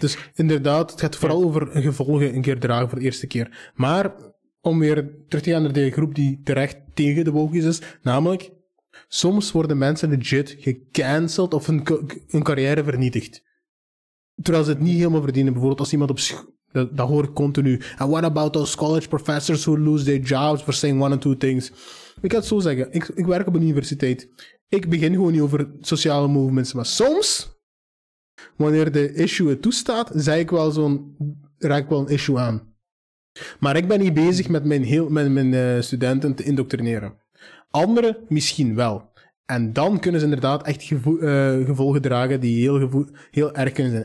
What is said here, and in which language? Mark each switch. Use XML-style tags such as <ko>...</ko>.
<nl>Dus inderdaad, het gaat vooral over gevolgen een keer dragen voor de eerste keer. Maar om weer terug te gaan naar die groep die terecht tegen de woke is, namelijk... Soms worden mensen legit gecanceld of hun carrière vernietigd. Terwijl ze het niet helemaal verdienen. Bijvoorbeeld als iemand op school... Dat hoor ik continu.</nl> <en>And what about those college professors who lose their jobs for saying one or two things?</en> <nl>Ik ga het zo zeggen. Ik werk op een universiteit. Ik begin gewoon niet over sociale movements. Maar soms, wanneer de issue het toestaat, raak ik wel een issue aan. Maar ik ben niet bezig met mijn studenten te indoctrineren. Anderen misschien wel. En dan kunnen ze inderdaad echt gevolgen dragen die heel erg kunnen zijn.</nl>